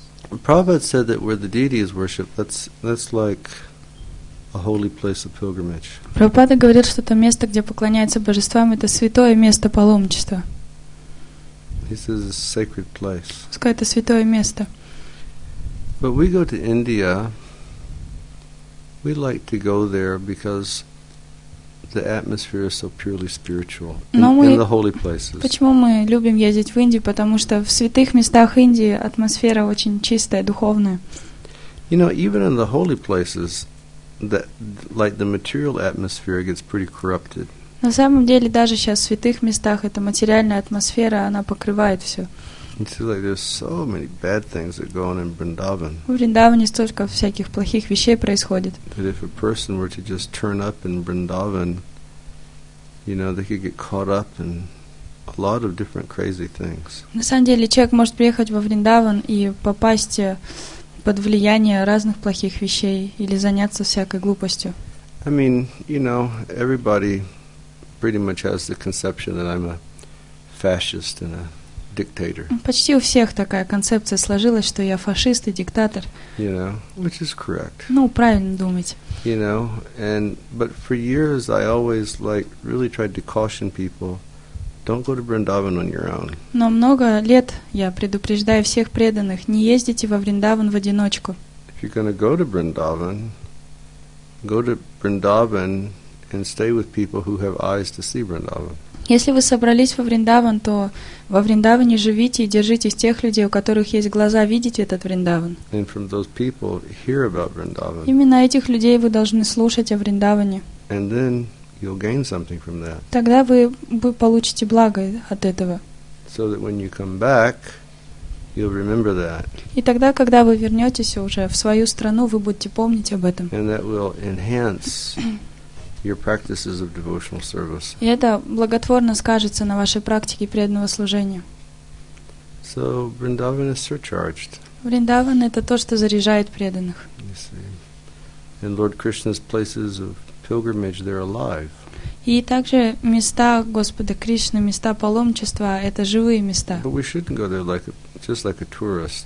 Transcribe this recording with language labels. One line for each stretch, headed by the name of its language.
English: Prabhupada said that where the deity is worshipped, that's like a holy place of pilgrimage.
Russian: Prabhupada говорит, что то место, где поклоняется божествам, это святое место паломничества.
English: This is a sacred place.
Russian: Это святое место.
English: But we go to India, we like to go there because the atmosphere is so purely spiritual in the holy places.
Russian: Почему мы любим ездить в Индию? Потому что в святых местах Индии атмосфера очень чистая, духовная.
English: You know, even in the holy places, that like the material atmosphere gets pretty corrupted.
Russian: На самом деле, даже сейчас в святых местах эта материальная атмосфера, она покрывает все.
English: It seems like there's so many bad things that go on in Vrindavan.
Russian: В Вриндаване столько всяких плохих вещей происходит.
English: But if a person were to just turn up in Vrindavan, you know, they could get caught up in a lot of different crazy things.
Russian: На самом деле, человек может приехать во Вриндаван и попасть под влияние разных плохих вещей или заняться всякой глупостью.
English: I mean, you know, everybody pretty much has the conception that I'm a fascist and a dictator.
Russian: Почти у всех такая концепция сложилась, что я фашист и диктатор.
English: You know, which is correct.
Russian: Ну, правильно думать.
English: You know, and but for years I always like really tried to caution people, don't go to Vrindavan on your own.
Russian: Но много лет я предупреждаю всех преданных, не ездите во Вриндаван в одиночку.
English: If you're going to go to Vrindavan, go to Vrindavan and stay with people who have eyes to see Vrindavan.
Russian: Если вы собрались во Вриндаван, то во Вриндаване живите и держитесь тех людей, у которых есть глаза видеть этот Вриндаван.
English: And from those people, hear about Vrindavan.
Russian: Именно этих людей вы должны слушать о Вриндаване.
English: And then you'll gain something from that.
Russian: Тогда вы получите благо от этого.
English: So that when you come back, you'll remember that.
Russian: И тогда, когда вы вернетесь уже в свою страну, вы будете помнить об этом.
English: And that will enhance your practices of devotional service.
Russian: И это благотворно скажется на вашей практике преданного служения.
English: So Vrindavan is surcharged.
Russian: Vrindavan — это то, что заряжает преданных.
English: You see. And Lord Krishna's places of pilgrimage, they're alive.
Russian: И также места Господа Кришны, места паломничества — это живые места.
English: But we shouldn't go there like just like a tourist.